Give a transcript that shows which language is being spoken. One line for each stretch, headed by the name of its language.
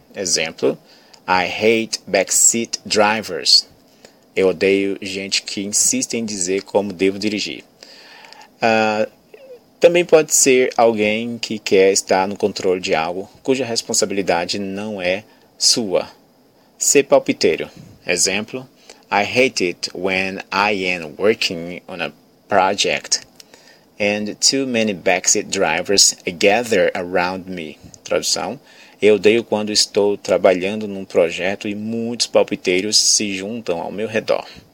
English: Exemplo, I hate backseat drivers.
Portuguese: Eu odeio gente que insiste em dizer como devo dirigir. Também pode ser alguém que quer estar no controle de algo cuja responsabilidade não é sua. Ser palpiteiro.
English: Exemplo, I hate it when I am working on a project and too many backseat drivers gather around me.
Portuguese: Tradução, eu odeio quando estou trabalhando num projeto e muitos palpiteiros se juntam ao meu redor.